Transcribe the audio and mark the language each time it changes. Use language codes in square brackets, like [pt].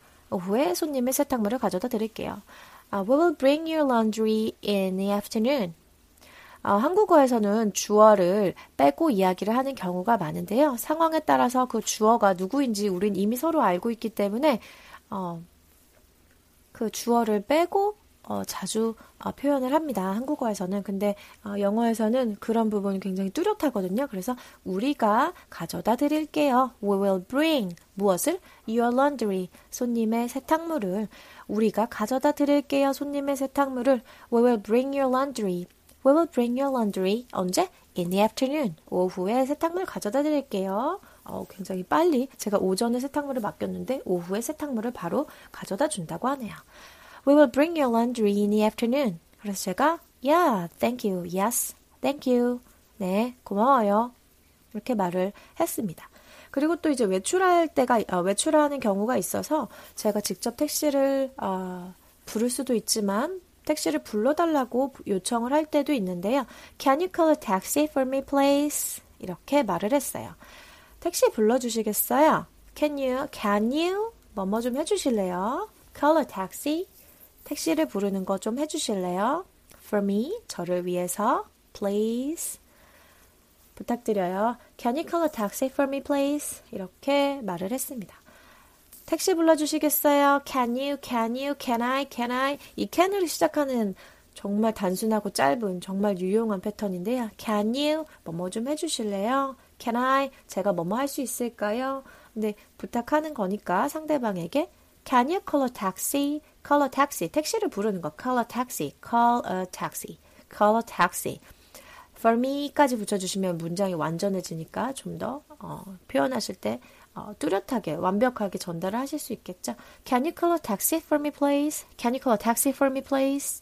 [ko] 오후에 손님의 세탁물을 가져다 드릴게요. [en] We will bring your laundry in the afternoon. [ko] 한국어에서는 주어를 빼고 이야기를 하는 경우가 많은데요. 상황에 따라서 그 주어가 누구인지 우린 이미 서로 알고 있기 때문에, 그 주어를 빼고 자주 표현을 합니다. 한국어에서는. 근데 영어에서는 그런 부분이 굉장히 뚜렷하거든요. 그래서 우리가 가져다 드릴게요. [en] We will bring [ko] 무엇을? [en] Your laundry. [ko] 손님의 세탁물을. 우리가 가져다 드릴게요. 손님의 세탁물을. [en] We will bring your laundry. We will bring your laundry. [ko] 언제? [en] In the afternoon. [ko] 오후에 세탁물 가져다 드릴게요. 굉장히 빨리 제가 오전에 세탁물을 맡겼는데 오후에 세탁물을 바로 가져다 준다고 하네요. [en] We will bring your laundry in the afternoon. [ko] 그래서 제가 [en] Yeah, thank you. Yes, thank you. [ko] 네, 고마워요. 이렇게 말을 했습니다. 그리고 또 이제 외출하는 경우가 있어서 제가 직접 택시를 부를 수도 있지만 택시를 불러달라고 요청을 할 때도 있는데요. [en] Can you call a taxi for me, please? [ko] 이렇게 말을 했어요. 택시 불러주시겠어요? [en] Can you? [ko] 뭐뭐 좀 해주실래요? [en] Call a taxi. [ko] 택시를 부르는 거좀 해주실래요? [en] For me. [ko] 저를 위해서. Please. 부탁드려요. [en] Can you call a taxi for me, please? [ko] 이렇게 말을 했습니다. 택시 불러주시겠어요? [en] Can I? [ko] 이 can으로 시작하는 정말 단순하고 짧은, 정말 유용한 패턴인데요. [en] Can you? [ko] 뭐뭐 좀 해주실래요? [en] Can I? [ko] 제가 뭐뭐 할수 있을까요? 근데 부탁하는 거니까 상대방에게 [en] Can you call a taxi? Call a taxi. [ko] 택시를 부르는 거. [en] Call a taxi. Call a taxi. Call a taxi. [ko] For me까지 붙여주시면 문장이 완전해지니까 좀더 표현하실 때 뚜렷하게, 완벽하게 전달을 하실 수 있겠죠? [en] Can you call a taxi for me, please? Can you call a taxi for me, please?